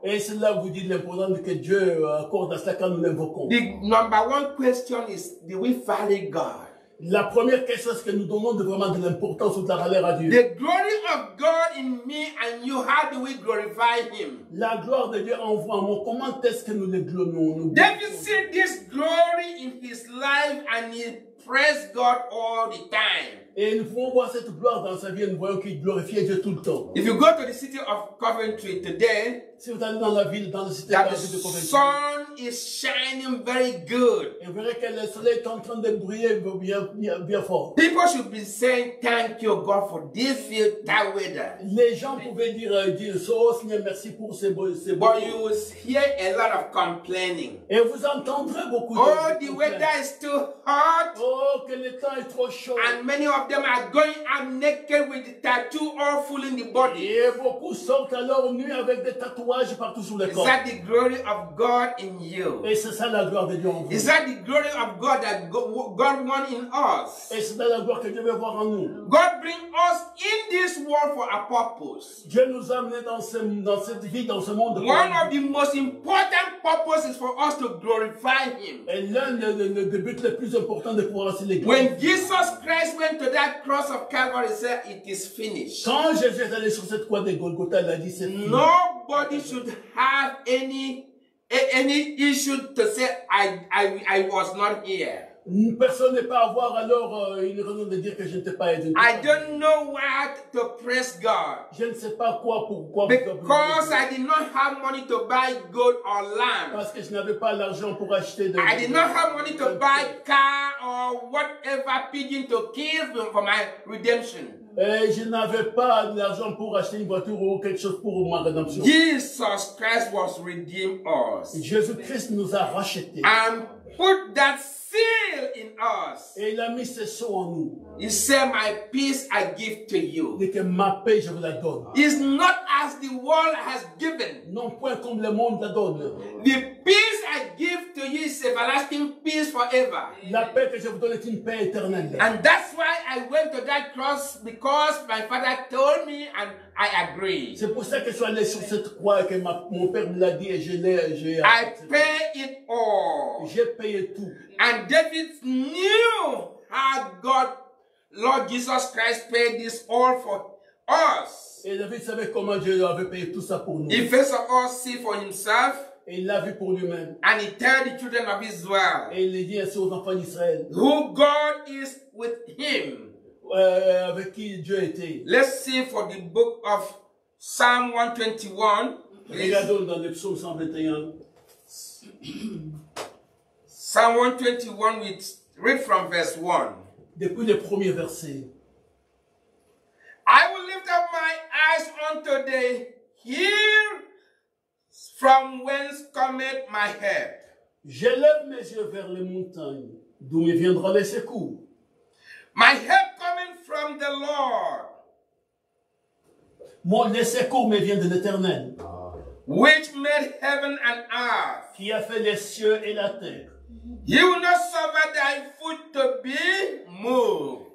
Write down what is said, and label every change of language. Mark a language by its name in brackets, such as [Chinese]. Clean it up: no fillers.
[French] Et c'est là où vous dites l'importance que Dieu accorde à cela quand nous l'invoquons. [English] The number one question is, do we value God? [French] La première question, c'est que nous donnons de vraiment de l'importance ou de la valeur à Dieu. [English] The glory of God in me and you, how do we glorify Him? [French] La gloire de Dieu en vous, en moi, comment est-ce que nous le glorifions? [English] David sees this glory in his life and he praises God all the time. [French] Et nous pouvons voir cette gloire dans sa vie et nous voyons qu'il glorifie Dieu tout le temps. [English] If you go to the city of Coventry today, [French] si vous allez dans la ville, dans la cité de Coventry, [English] the sun is shining very good. [French] Et vous verrez que le soleil est en train de briller bien fort. [English] People should be saying thank you God for this year, that weather. [French] Les gens pouvaient dire oh Seigneur merci pour ces beaux. [English] But you will hear a lot of complaining. [French] Et vous entendrez beaucoup oh, de. [English] Oh, the weather is too hot. [French] Oh, que le temps est trop chaud. [English] And many of them are going out naked with tattoo all full in the body. [French] Et beaucoup sont alors nus avec des tatouages partout sur le corps. [English] Is that the glory of God in you? [French] Et c'est ça la gloire de Dieu en vous. [English] Is that the glory of God that God wants in us? [French] Et c'est ça la gloire que Dieu veut voir en nous. [English] God brings us in this world for a purpose. [French] Dieu nous a amenés dans cette vie, dans ce monde. [English] One of the most important purposes is for us to glorify Him. [French] Et l'un des buts les plus importants de pouvoir ainsi les glorifier. [English] When Jesus Christ went to that cross of Calvary, said it is finished. [French] Quand Jésus est allé sur cette croix de Golgotha, il a dit c'est fini. [English] Nobody should have any issue to say I was not here. [French] Personne n'est pas à avoir alors une raison de dire que je n'étais pas aidé. [English] I don't know what to praise God. [French] Je ne sais pas quoi pour quoi. [English] Because I did not have money to buy gold or land. [French] Parce que je n'avais pas l'argent pour acheter de. [English] I did not have money to buy car or whatever pigeon to kill for my redemption. [French] Et je n'avais pas l'argent pour acheter une voiture ou quelque chose pour ma rédemption. [English] Jesus Christ was redeemed us. [French] Jésus Christ nous a racheté. [English] And put that seal in us. [French] Et il a mis ce sceau en nous. [English] He said, "My peace I give to you." [French] Dit que ma paix je vous la donne. [English] It's not as the world has given. [French] Non point comme le monde la donne. [English] The peace I give to you is everlasting peace forever. [French] La paix que je vous donne est une paix éternelle. [English] And that's why I went to that cross because my father told me and I agree. [French] C'est pour ça que je suis allé sur cette croix que mon père me l'a dit et je l'ai. [English] I pay it all. [French] J'ai payé tout. [English] And David knew how God. Lord Jesus Christ paid this all for us. [French] Et David savait comment Dieu avait payé tout ça pour nous. [English] He first of all see for himself. [French] Et il l'a vu pour lui-même. [English] And he tell the children of Israel. [French] Et il dit ainsi aux enfants d'Israël. [English] Who God is with him. [French] Avec qui Dieu était. [English] Let's see for the book of Psalm 121. Please. [French] Regardons dans le psaume 121. [English] Psalm 121, we read from verse 1. [French] Depuis le premier verset. [English] I will lift up my eyes unto the hill from whence cometh my help. [French] Je lève mes yeux vers les montagnes, d'où me viendra le secours. [English] My help coming from the Lord. [French] Mon le secours me vient de l'Éternel. [English] Which made heaven and earth. [French] Qui a fait les cieux et la terre. [English] He will not suffer thy foot to be moved.